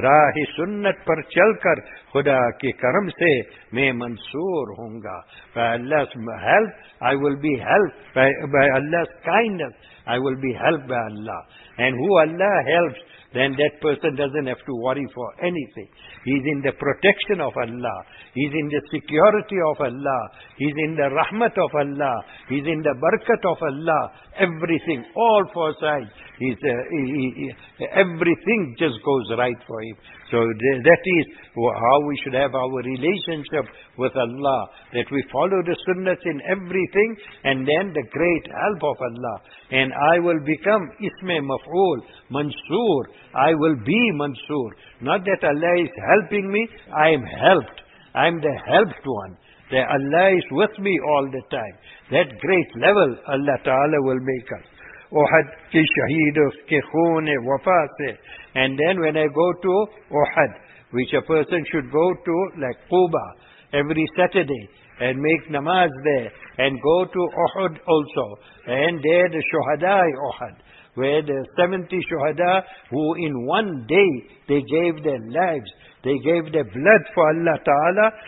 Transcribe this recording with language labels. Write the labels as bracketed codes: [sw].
[ur] راہ سنت پر چل کر خدا کے کرم سے میں منصور ہوں گا. [en] By Allah help I will be help by Allah kindness I will be help by Allah. And who Allah help then that person doesn't have to worry for anything. He is in the protection of Allah, he is in the security of Allah, he is in the رحمت of Allah, he is in the برکت of Allah. Everything all four side is everything just goes right for him. So that is how we should have our relationship with Allah, that we follow the sunnah in everything and then the great help of Allah. And I will become isme maf'ool, mansoor. I will be mansoor. Not that Allah is helping me, I am helped. I am the helped one. That Allah is with me all the time. That great level Allah Ta'ala will make us. [ur] احد کے شہید اس کے خون وفا سے. [en] And then when I go to Uhud which a person should go to like Quba every Saturday and make نماز there and go to Uhud also and there the شہدا Uhud where the 70 شہدا who in one day they gave their lives they gave their blood for Allah تعالی.